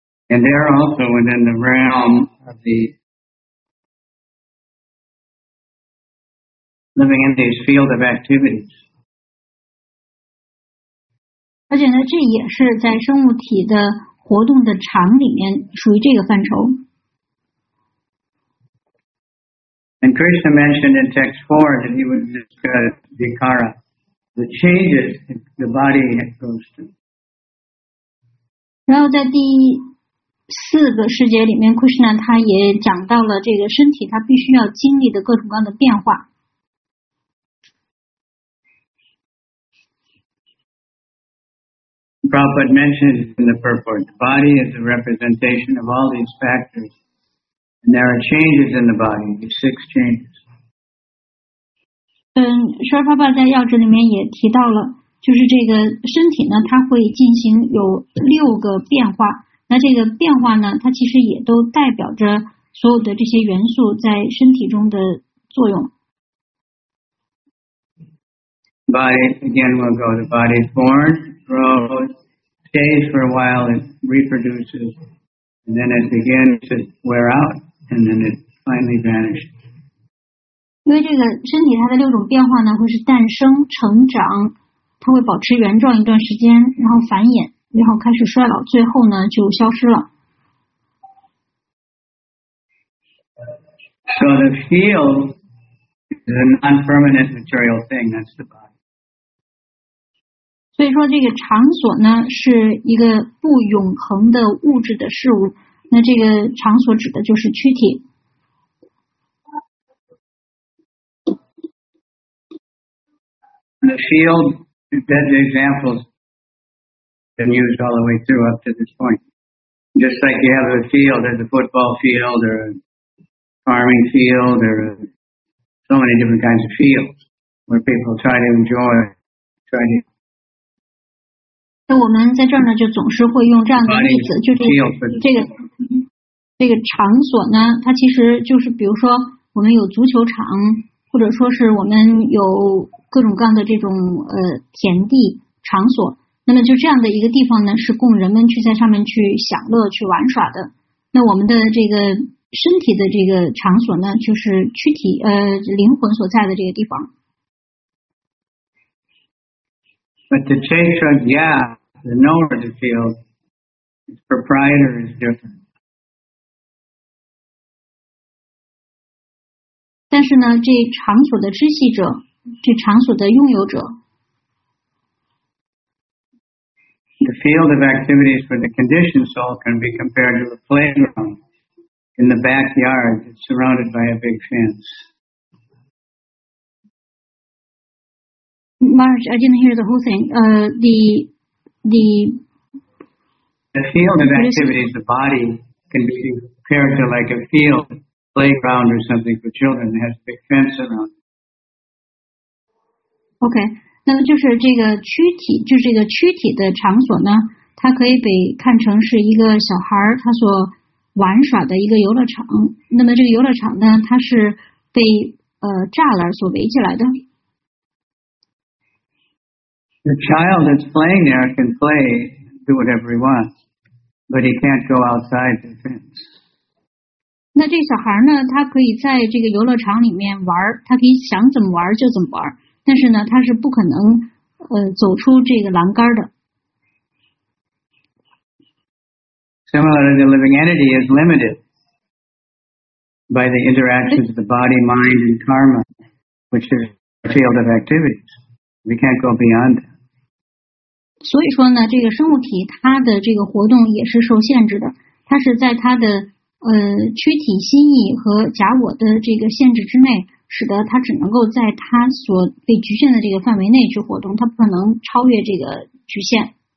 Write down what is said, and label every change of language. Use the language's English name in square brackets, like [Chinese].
[English] And they are also within the realm of the living in these field of activities. [Chinese] 而且呢，这也是在生物体的活动的场里面属于这个范畴。 [English] And Krishna mentioned in text 4 that he would discuss vikara, the changes the body goes through. [Chinese] 然后在第四个世界里面 ，Krishna 他也讲到了这个身体他必须要经历的各种各样的变化。 [English] Prabhupada mentions in the purport, the body is a representation of all these factors. And there are changes in the body, the six changes. [Chinese] Srila Prabhupada 在要旨里面也提到了，就是这个身体呢，它会进行有六个变化。那这个变化呢，它其实也都代表着所有的这些元素在身体中的作用。 [English] Body, again, we'll go. The body is born, grows, stays for a while, it reproduces, and then it begins to wear out. And then it finally vanished. [Chinese] 因为这个身体它的六种变化呢，会是诞生、成长，它会保持原状一段时间，然后繁衍，然后开始衰老，最后呢就消失了。 [English] So the field is a non-permanent material thing. That's the body. [Chinese] 所以说这个场所呢是一个不永恒的物质的事物。那这个场所指的就是躯体。 [English] The field, that examples been used all the way through up to this point. Just like you have a field, there's a football field or a farming field or so many different kinds of fields where people try to enjoy, try to. [Chinese] 那我们在这儿呢就总是会用这样的例子就是这个场所呢它其实就是比如说我们有足球场或者说是我们有各种各样的这种田地场所那么就这样的一个地方呢是供人们去在上面去享乐去玩耍的那我们的这个身体的这个场所呢就是躯体灵魂所在的这个地方。 [English] But the chetra, yeah, the knower of the field, its proprietor is different. [Chinese] 但是呢，这场所的知悉者，这场所的拥有者。 [English] The field of activities for the conditioned soul can be compared to a playground in the backyard that's surrounded by a big fence. Marge, I didn't hear the whole thing. The field of activities, the body, can be compared to like a field, playground or something for children. It has a big fence around it. Okay. [Chinese] 那么就是这个躯体，就是这个躯体的场所呢，它可以被看成是一个小孩他所玩耍的一个游乐场。那么这个游乐场呢，它是被栅栏所围起来的。 [English] The child that's playing there can play, do whatever he wants, but he can't go outside the fence. [Chinese] 那这小孩呢，他可以在这个游乐场里面玩，他可以想怎么玩就怎么玩，但是呢，他是不可能走出这个栏杆的。 [English] Similarly, the living entity is limited by the interactions of the body, mind, and karma, which is a field of activities. We can't go beyond that. [Chinese] 所以说呢，这个生物体它的这个活动也是受限制的，它是在它的躯体、心意和假我的这个限制之内，使得它只能够在它所被局限的这个范围内去活动，它不可能超越这个局限。